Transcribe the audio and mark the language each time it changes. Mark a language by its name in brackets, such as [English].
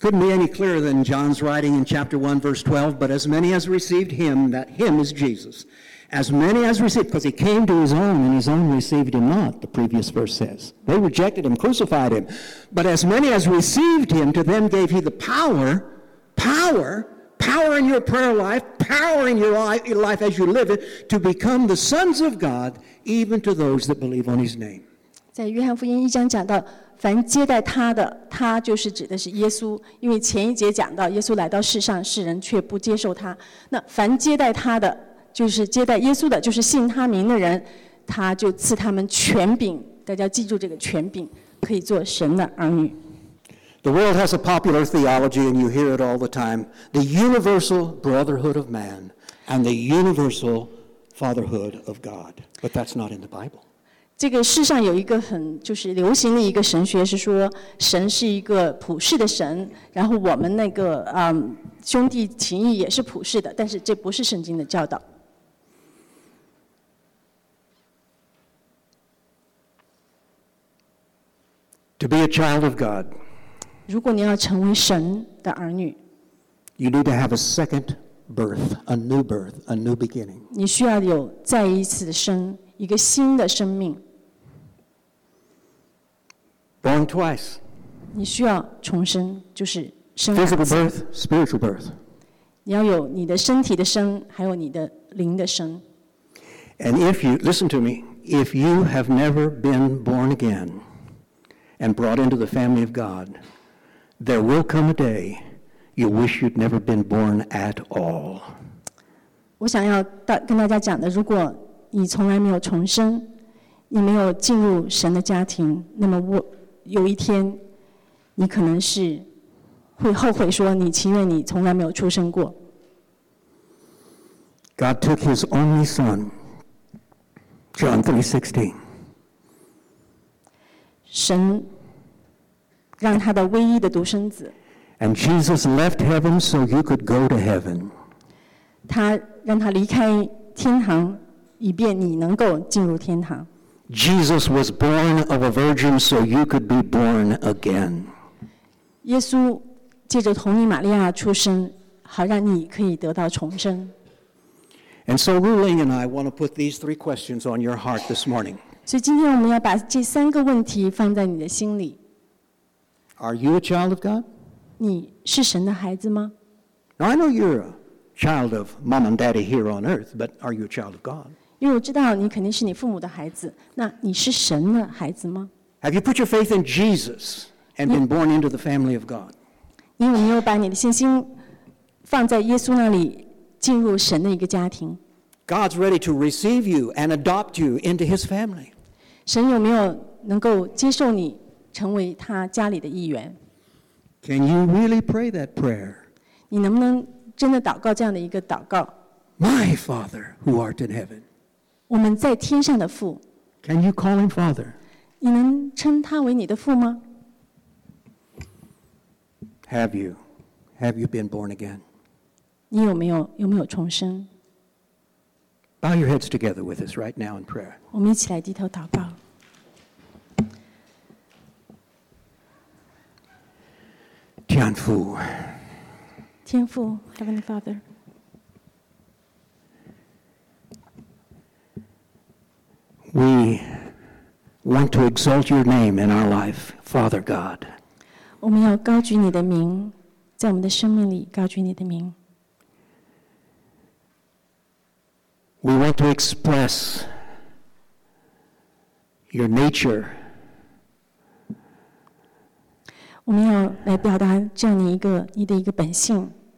[English] Couldn't be any clearer than John's writing in chapter 1, verse 12, but as many as received him, that him is Jesus. As many as received, because he came to his own, and his own received him not, the previous verse says. They rejected him, crucified him. But as many as received him, to them gave he the power in your prayer life, power in your life as you live it, to become the sons of God, even to those that believe on his name. [Chinese] 在约翰福音一章讲到凡接待他的，他就是指的是耶稣，因为前一节讲到耶稣来到世上，世人却不接受他。那凡接待他的，就是接待耶稣的，就是信他名的人，他就赐他们权柄。大家记住这个权柄，可以做神的儿女。 [English] The world has a popular theology, and you hear it all the time: the universal brotherhood of man and the universal fatherhood of God. But that's not in the Bible. [Chinese] 这个世上有一个很就是流行的一个神学是说神是一个普世的神然后我们那个兄弟情谊也是普世的但是这不是圣经的教导 [English] To be a child of God [Chinese] 如果你要成为神的儿女 [English] You need to have a second birth a new birth a new beginning [Chinese] 你需要有再一次的生一个新的生命 [English] Born twice. [Chinese] 你需要重生，就是生。 [English] Physical birth, spiritual birth. [Chinese] 你要有你的身体的生，还有你的灵的生。 [English] And if you, listen to me, if you have never been born again and brought into the family of God, there will come a day you wish you'd never been born at all. [Chinese] 我想要跟大家讲的，如果你从来没有重生，你没有进入神的家庭，那么我有一天，你可能是会后悔说，你情愿你从来没有出生过。 [English] God took His only Son, John 3:16. [Chinese] 神让他的唯一的独生子。 [English] And Jesus left heaven so you could go to heaven. [Chinese] 他让他离开天堂。以便你能够进入天堂。 [English] Jesus was born of a virgin so you could be born again. [Chinese] 耶稣借着童女玛利亚出生，好让你可以得到重生。 [English] And so Ru Ling and I want to put these three questions on your heart this morning. [Chinese] 所以今天我们要把这三个问题放在你的心里。 [English] Are you a child of God? [Chinese] 你是神的孩子吗？ [English] Now I know you're a child of mom and daddy here on earth, but are you a child of God? [Chinese] 因为我知道你肯定是你父母的孩子，那你是神的孩子吗 [English] ？Have you put your faith in Jesus and been born into the family of God？ [Chinese] 你有没有把你的信心放在耶稣那里，进入神的一个家庭 [English] ？God's ready to receive you and adopt you into His family。 [Chinese] 神有没有能够接受你成为他家里的一员 [English] ？Can you really pray that prayer？ [Chinese] 你能不能真的祷告这样的一个祷告？ [English] My Father who art in heaven. [Chinese] 我们在天上的父。 [English] Can you call him Father? [Chinese] 你能称他为你的父吗？ [English] Have you? Have you been born again? [Chinese] 你有没有重生？ [English] Bow your heads together with us right now in prayer. [Chinese] 我们一起来低头祷告。天父。天父 ， [English] Heavenly Father。 We want to exalt your name in our life, Father God. [Chinese] 我们要高举你的名，在我们的生命里高举你的名。 [English] We want to express your nature. [Chinese] 我们要来表达这样你的一个本性。